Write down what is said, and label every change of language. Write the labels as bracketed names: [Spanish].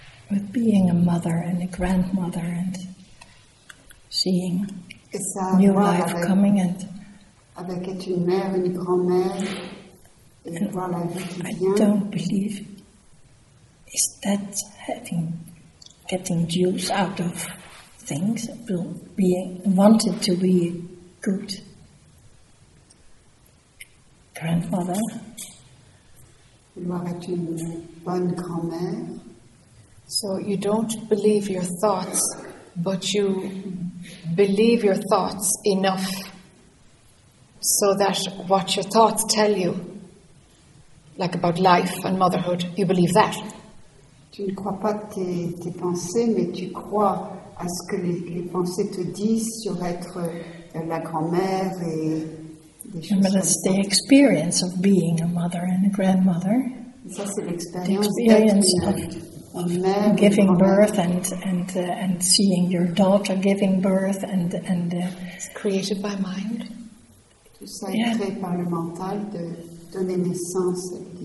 [English] With being a mother and a grandmother and seeing new life coming and [French] avec être une mère, une grand-mère, et voir la vie qui vient. [English] I don't believe is that having getting juice out of things, being wanted to be a good grandmother. [French] Vouloir être une bonne grand-mère. [English] So you don't believe your thoughts, but you believe your thoughts enough so that what your thoughts tell you, like about life and motherhood, you believe that. [French] Tu ne crois pas tes pensées, mais tu crois à ce que les pensées te disent sur être la grand-mère et des choses. [English] But it's the experience of being a mother and a grandmother. [French] Ça, c'est l'expérience [English] of giving birth and seeing your daughter giving birth and it's created by mind. [French] Tout ça est créé par le mental de donner naissance.